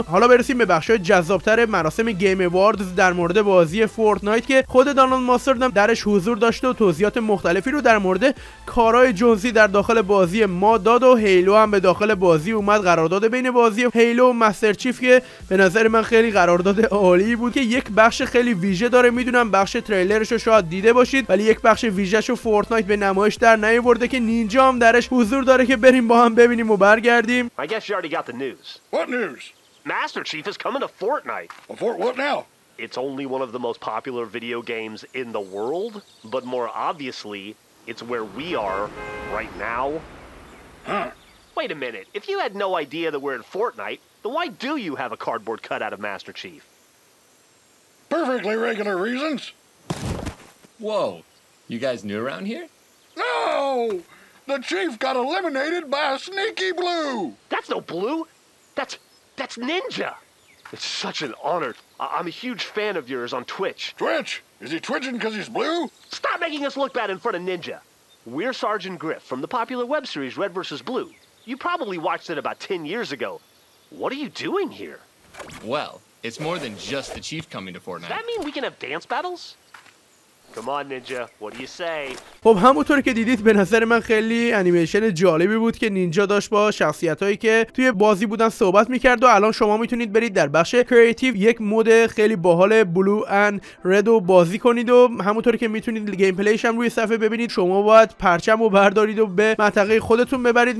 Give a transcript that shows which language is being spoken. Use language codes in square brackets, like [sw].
[fa] و حالا برسیم به بخش‌های جذاب‌تر مراسم گیم اواردز در مورد بازی فورتنایت که خود دانالد ماستر هم درش حضور داشته و توضیحات مختلفی رو در مورد کارهای جنسی در داخل بازی ما داد و هیلو هم به داخل بازی اومد، قرارداد بین بازی هیلو و مستر چیف که به نظر من خیلی قرارداد عالی بود که یک بخش خیلی ویژه داره، میدونم بخش تریلرش رو شاید دیده باشید ولی یک بخش ویژه‌شو فورتنایت به نمایش در نیورده که نینجا هم درش حضور داره، که بریم با هم ببینیم و برگردیم. [en] I guess you already got the news. What news? Master Chief is coming to Fortnite. Well, Fort what now? It's only one of the most popular video games in the world, but more obviously, it's where we are right now. Huh. Wait a minute, if you had no idea that we're in Fortnite, then why do you have a cardboard cutout of Master Chief? Perfectly regular reasons. Whoa, you guys new around here? No! The Chief got eliminated by a sneaky blue! That's no blue! That's Ninja! It's such an honor. I'm a huge fan of yours on Twitch. Twitch? Is he twitching because he's blue? Stop making us look bad in front of Ninja! We're Sergeant Griff from the popular web series Red vs. Blue. You probably watched it about 10 years ago. What are you doing here? Well, it's more than just the Chief coming to Fortnite. Does that mean we can have dance battles? Come on, Ninja. What do you say? [fa] خب همونطور که دیدید به نظر من خیلی انیمیشن جالبی بود که نینجا داشت با شخصیتایی که توی بازی بودن صحبت میکرد و الان شما میتونید برید در بخش کریتیو یک مود خیلی باحال بلو اند ردو بازی کنید و همونطور که میتونید گیم پلیش هم روی صفحه ببینید، شما باید پرچم رو بردارید و به منطقه خودتون ببرید.